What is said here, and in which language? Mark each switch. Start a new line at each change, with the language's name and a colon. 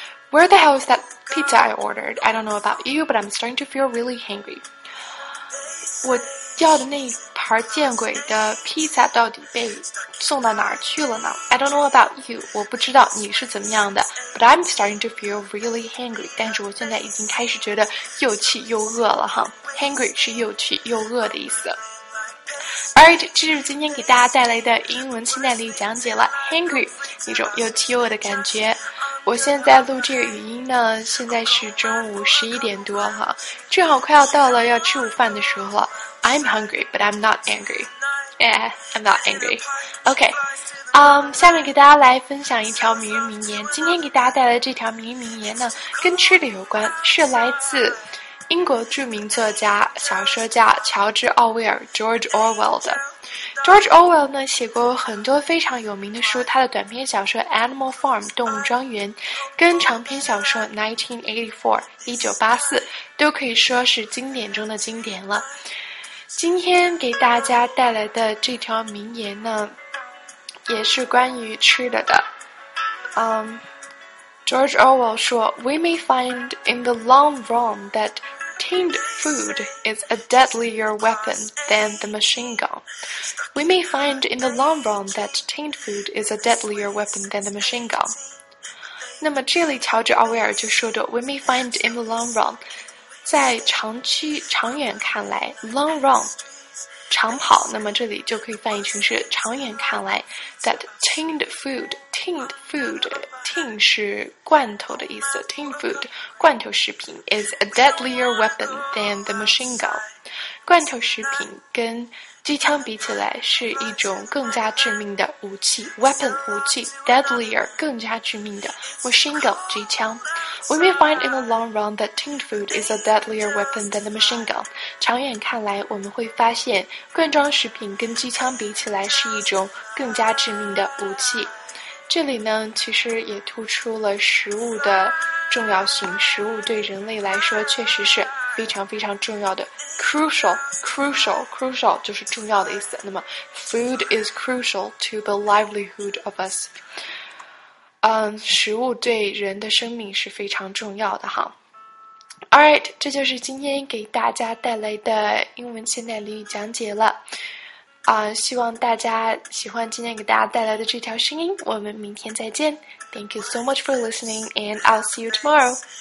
English: Where the hell is that pizza I ordered? I don't know about you, but I'm starting to feel really hangry.
Chinese: 我要的那盘见鬼的披萨到底被送到哪儿去了呢？
English: I don't know about you,
Chinese: 我不知道你是怎么样的，
English: but I'm starting to feel really hangry.
Chinese: 但是我现在已经开始觉得又气又饿了哈。 Hangry 是又气又饿的意思。Alright， 这是今天给大家带来的英文现代俚语讲解了 hangry 那种又饥饿的感觉。我现在录这个语音呢，现在是中午11点多哈，正好快要到了要吃午饭的时候了。
English: I'm hungry, but I'm not angry. Yeah, I'm not angry.
Chinese: Okay, 下面给大家来分享一条名人名言。今天给大家带来这条名人名言呢，跟吃的有关，是来自英国著名作家、小说家乔治·奥威尔 （George Orwell） 的。 George Orwell 呢，写过很多非常有名的书，他的短篇小说《Animal Farm》（动物庄园）跟长篇小说《1984》（1984）都可以说是经典中的经典了。今天给大家带来的这条名言呢，也是关于吃的的。
English: George Orwell 说 ,We may find in the long run that tainted food is a deadlier weapon than the machine gun. We may find in the long run that tainted food is a deadlier weapon than the machine gun. 那么这里乔治奥威尔就说的 ,We may find in the long run,
Chinese: 在长远看来
English: ,long run,
Chinese: 长跑，那么这里就可以翻译成是长远看来
English: ,that tainted food,Tinned food, tin
Chinese: 是罐头的意思
English: ,tinned food,
Chinese: 罐头食品
English: is a deadlier weapon than the machine gun.
Chinese: 罐头食品跟机枪比起来是一种更加致命的武器 ,weapon, 武器 ,deadlier, 更加致命的 ,machine gun, 机枪。
English: We may find in the long run that tinned food is a deadlier weapon than the machine gun.
Chinese: 长远看来我们会发现罐装食品跟机枪比起来是一种更加致命的武器。这里呢，其实也突出了食物的重要性。食物对人类来说确实是非常非常重要的 ，crucial 就是重要的意思。
English: 那么 ，food is crucial to the livelihood of us。
Chinese: 食物对人的生命是非常重要的哈。 Alright， 这就是今天给大家带来的英文现代俚语讲解了。希望大家喜欢今天给大家带来的这条声音，我们明天再见。
English: Thank you so much for listening, and I'll see you tomorrow.